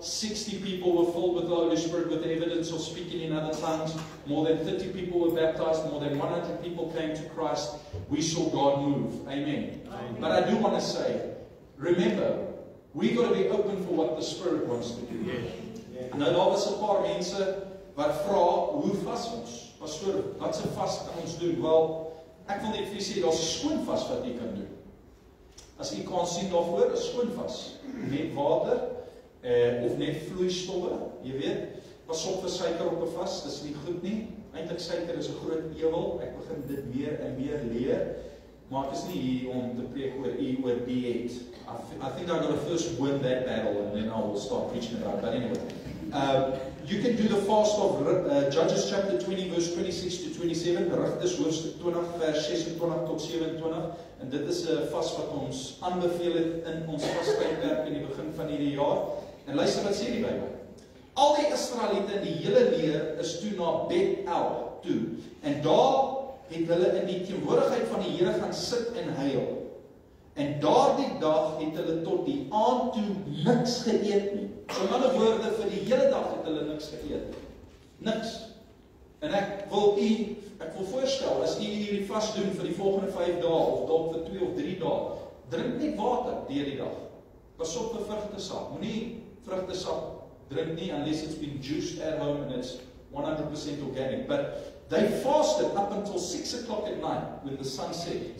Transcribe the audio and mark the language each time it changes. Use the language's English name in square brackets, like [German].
[English] 60 people were filled with the Holy Spirit with evidence of speaking in other tongues. More than 30 people were baptized. More than 100 people came to Christ. We saw God move. Amen. Amen. But I do want to say, remember, we got to be open for what the Spirit wants to do. Yeah. [Afrikaans] Nou daar was 'n paar mense wat vra, hoe vas ons? Pastoor, wat se vas kan ons doen? Wel, ek wil net vir julle sê, daar's 'n skoon vas wat jy kan doen. As jy kan sien daarvoor, 'n skoon vas. Net water, of net vloeistowwe, jy weet. Pas op vir suiker op 'n vas, dis nie goed nie. Eintlik suiker is 'n groot ewel. Ek begin dit meer en meer leer. Maar ek is nie hier om te preek oor u oor dieet. [English] I think I'm going to first win that battle and then I will start preaching about it. But anyway, you can do the fast of Judges chapter 20 verse 26 to 27. [Afrikaans] Rigters hoofstuk 20 vers 26 tot 27. En dit is 'n vas wat ons aanbeveel het in ons vastydwerk in die begin van hierdie jaar. En luister wat sê die Bybel. Al die Israeliete in die hele leer is toe na Bethel toe. En daar het hulle in die teenwoordigheid van die Here gaan sit en huil. En daardie dag het hulle tot die aand toe niks geëet nie. So in ander woorde, vir die hele dag het hulle niks geëet nie. Niks. En ek wil voorstel, as u hierdie vas doen vir die volgende 5 dae of dalk vir 2 of 3 dae, drink net water deur die dag. Pas op vir vrugtesap. Moenie vrugtesap drink nie [English] unless it's been juiced at home and it's 100% organic. But they fasted up until 6 o'clock at night when the sun set.